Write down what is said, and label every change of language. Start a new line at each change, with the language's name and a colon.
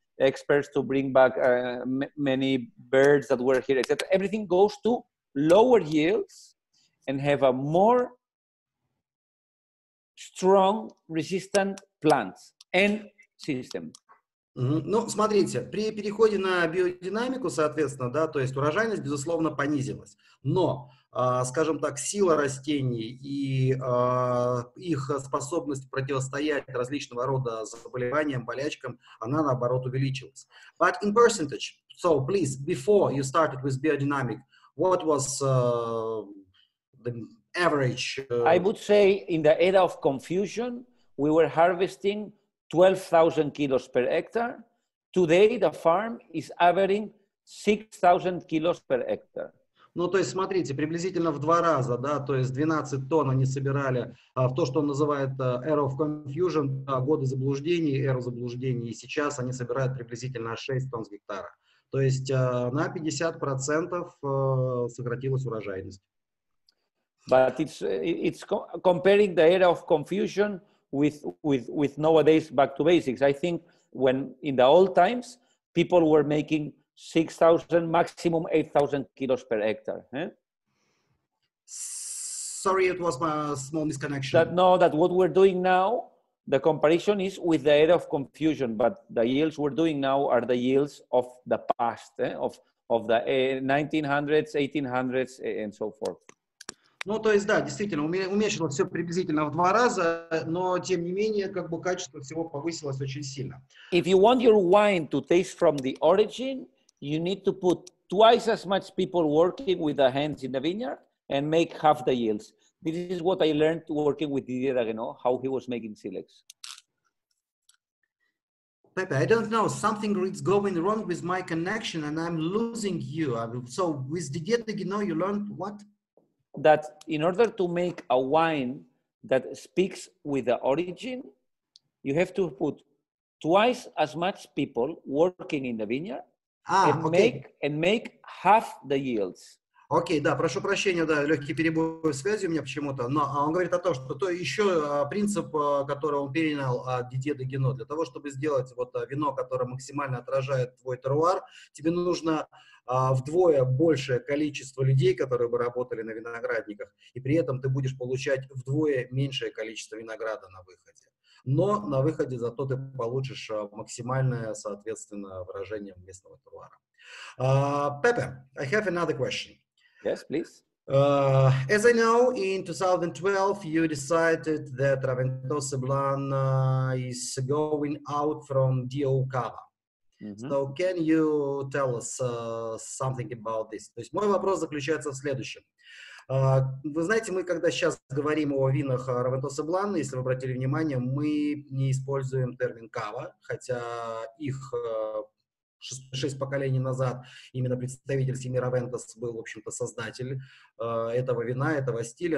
English: experts to bring back many birds that were here, etc. Everything goes to lower yields and have a more strong resistant plants and system.
Russian: Ну, смотрите, при переходе на биодинамику, соответственно, да, то есть урожайность, безусловно, понизилась. Но, скажем так, сила растений и их способность противостоять различного рода заболеваниям, болячкам, она, наоборот, увеличилась.
English: But in percentage, so please, before you started with biodynamic, what was the average? I would say in the era of confusion, we were harvesting 12,000 kilos per hectare. Today the farm is averaging 6,000 kilos per hectare.
Russian: Ну, то есть, смотрите, приблизительно в два раза, да, то есть 12 тонн они собирали в то, что он называет
English: era of confusion,
Russian: годы заблуждений, эра заблуждений, и сейчас они собирают приблизительно 6 тонн с гектара. То есть на 50% сократилась урожайность.
English: But it's comparing the era of confusion with nowadays back to basics. I think when in the old times people were making 6,000 maximum 8,000 kilos per hectare. Sorry, it was my small misconnection. That what we're doing now, the comparison is with the era of confusion, but the yields we're doing now are the yields of the past, of the 1900s, 1800s, and so forth.
Russian: Ну, то есть, да, действительно, уменьшилось все приблизительно в два раза, но, тем не менее, как бы качество всего повысилось очень сильно.
English: If you want your wine to taste from the origin, you need to put twice as much people working with the hands in the vineyard and make half the yields. This is what I learned working with Didier Dagenau, how he was making silex. Pepe, I don't know, something is going wrong with my connection and I'm losing you. So, with Didier Dagenau, you learned what? That in order to make a wine that speaks with the origin, you have to put twice as much people working in the vineyard and make half the yields.
Russian: Окей, да, прошу прощения, да, легкий перебой в связи у меня почему-то, но он говорит о том, что то еще принцип, который он перенял от Дидье де Гено, для того, чтобы сделать вот вино, которое максимально отражает твой терруар, тебе нужно вдвое большее количество людей, которые бы работали на виноградниках, и при этом ты будешь получать вдвое меньшее количество винограда на выходе. Но на выходе зато ты получишь максимальное, соответственно, выражение местного терруара.
English: Пепе, I have another question. Yes, please. As I know, in 2012, you decided that Raventos Blanc is going out from DO Cava. Mm-hmm. So can you tell us something about this?
Russian: То есть мой вопрос заключается в следующем. Вы знаете, мы когда сейчас говорим о винах Raventos Blanc, если вы обратили внимание, мы не используем термин «кава», хотя их 6 поколений назад именно представитель семьи Raventos был, в общем-то, создатель этого вина, этого стиля.